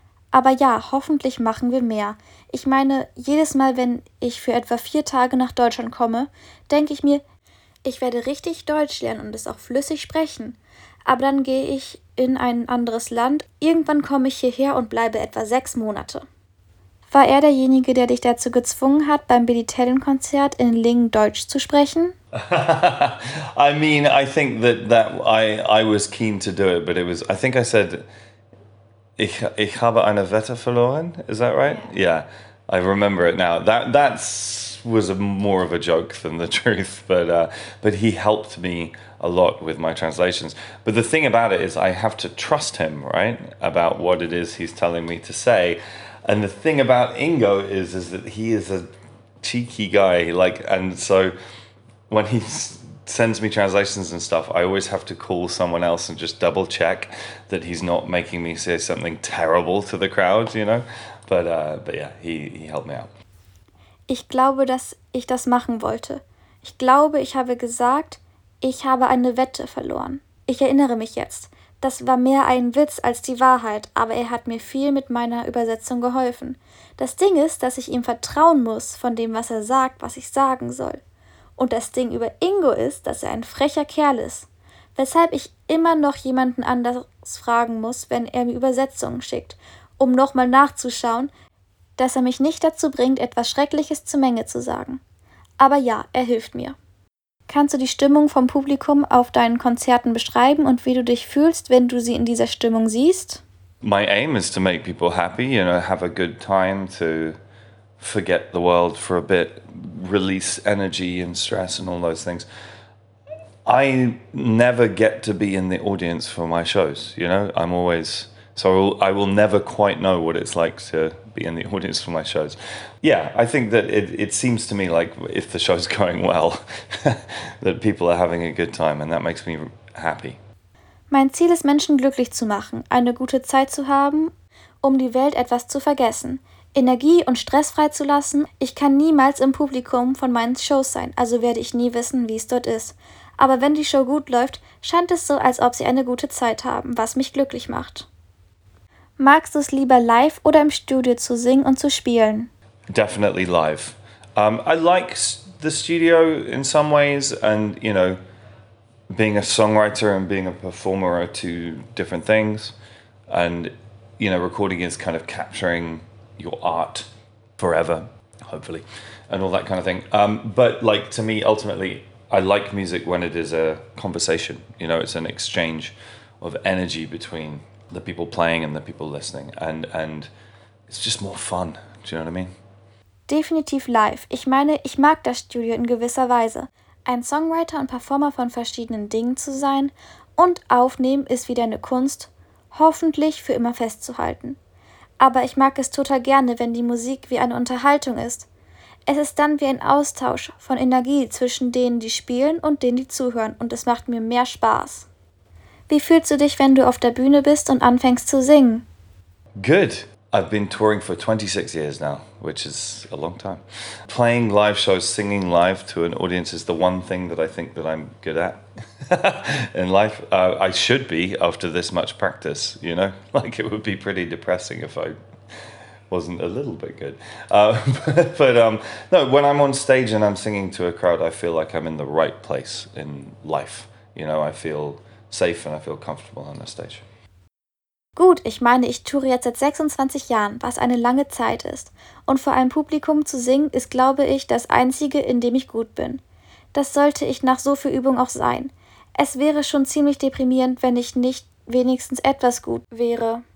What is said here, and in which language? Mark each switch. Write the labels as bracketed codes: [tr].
[de] Aber ja, hoffentlich machen wir mehr. Ich meine, jedes Mal, wenn ich für etwa 4 Tage nach Deutschland komme, denke ich mir, ich werde richtig Deutsch lernen und es auch flüssig sprechen. Aber dann gehe ich in ein anderes Land. Irgendwann komme ich hierher und bleibe etwa 6 Monate. War er derjenige, der dich dazu gezwungen hat, beim Billy Talent-Konzert in Ling Deutsch zu sprechen? [en] I mean, I think that I was keen to do it, but it was, I think I said, [de] ich habe eine Wette verloren, [en] is that right? Yeah, I remember it now. That was a more of a joke than the truth, but he helped me a lot with my translations. But the thing about it is I have to trust him, right, about what it is he's telling me to say. And the thing about Ingo is that he is a cheeky guy, like, and so when he sends me translations and stuff, I always have to call someone else and just double check that he's not making me say something terrible to the crowd, you know. But yeah, he helped me out. [de] Ich glaube, dass ich das machen wollte. Ich glaube, ich habe gesagt, ich habe eine Wette verloren. Ich erinnere mich jetzt. Das war mehr ein Witz als die Wahrheit, aber er hat mir viel mit meiner Übersetzung geholfen. Das Ding ist, dass ich ihm vertrauen muss von dem, was er sagt, was ich sagen soll. Und das Ding über Ingo ist, dass er ein frecher Kerl ist, weshalb ich immer noch jemanden anders fragen muss, wenn er mir Übersetzungen schickt, um nochmal nachzuschauen, dass er mich nicht dazu bringt, etwas Schreckliches zur Menge zu sagen. Aber ja, er hilft mir. Kannst du die Stimmung vom Publikum auf deinen Konzerten beschreiben und wie du dich fühlst, wenn du sie in dieser Stimmung siehst? [en] My aim is to make people happy, you know, have a good time, to forget the world for a bit, release energy and stress and all those things. I never get to be in the audience for my shows, you know, I'm always, so I will never quite know what it's like to be in the audience for my shows. Yeah, I think that it seems to me like if the show's going well, that people are having a good time and that makes me happy. [de] Mein Ziel ist, Menschen glücklich zu machen, eine gute Zeit zu haben, um die Welt etwas zu vergessen, Energie und Stress freizulassen. Ich kann niemals im Publikum von meinen Shows sein, also werde ich nie wissen, wie es dort ist. Aber wenn die Show gut läuft, scheint es so, als ob sie eine gute Zeit haben, was mich glücklich macht. Magst du es lieber live oder im Studio zu singen und zu spielen? [en] Definitely live. I like the studio in some ways, and you know, being a songwriter and being a performer are two different things. And you know, recording is kind of capturing your art forever, hopefully, and all that kind of thing. But like to me, ultimately, I like music when it is a conversation. You know, it's an exchange of energy between the people playing and the people listening, and it's just more fun. Do you know what I mean? [de] Definitiv live. Ich meine, ich mag das Studio in gewisser Weise. Ein Songwriter und Performer von verschiedenen Dingen zu sein und aufnehmen ist wieder eine Kunst, hoffentlich für immer festzuhalten. Aber ich mag es total gerne, wenn die Musik wie eine Unterhaltung ist. Es ist dann wie ein Austausch von Energie zwischen denen, die spielen und denen, die zuhören, und es macht mir mehr Spaß. Wie fühlst du dich, wenn du auf der Bühne bist und anfängst zu singen? [en] Good. I've been touring for 26 years now, which is a long time. Playing live shows, singing live to an audience is the one thing that I think that I'm good at in life. I should be after this much practice, you know? Like, it would be pretty depressing if I wasn't a little bit good. But when I'm on stage and I'm singing to a crowd, I feel like I'm in the right place in life. You know, I feel safe and I feel comfortable on the stage. [de] Gut, ich meine, ich toure jetzt seit 26 Jahren, was eine lange Zeit ist. Und vor einem Publikum zu singen, ist, glaube ich, das Einzige, in dem ich gut bin. Das sollte ich nach so viel Übung auch sein. Es wäre schon ziemlich deprimierend, wenn ich nicht wenigstens etwas gut wäre.